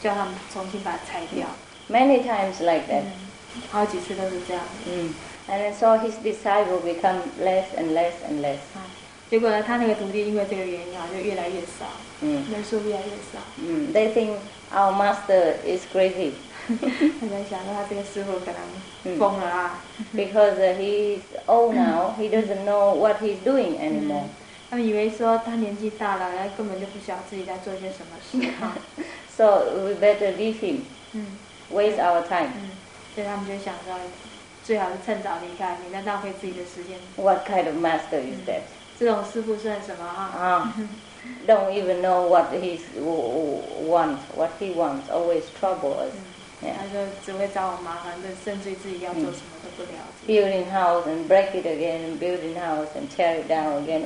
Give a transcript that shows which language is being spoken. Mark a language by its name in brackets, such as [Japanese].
[Chinese] 那他就去检查了，那很多人呢都盖好了嘛，一栋一栋都盖起来。盖起来呢，快盖好的时候，他就跟他们讲，这样不行啊，就叫他们重新把它拆掉。 [English] Many times like that. [Chinese] 好几次都是这样。 [English] And so his disciple become less and less and less. [Chinese] 结果呢，他那个徒弟因为这个原因啊，就越来越少。人数越来越少。 [English] They think our master is crazy. [Chinese] 他在想说他这个师傅可能疯了啊。 [English] Because he's old now, he doesn't know what he's doing anymore. [Chinese] 他们以为说他年纪大了，根本就不晓得自己在做些什么事。 [English] So we better leave him. Waste our time. [Chinese] 所以他们就想说，最好是趁早离开，免得浪费自己的时间。 [English] What kind of master is that? [Chinese] 这种师傅算什么啊？ [English] Don't even know what he wants, what he wants. Always trouble us. Yeah. Building house and break it again, and building house and tear it down again.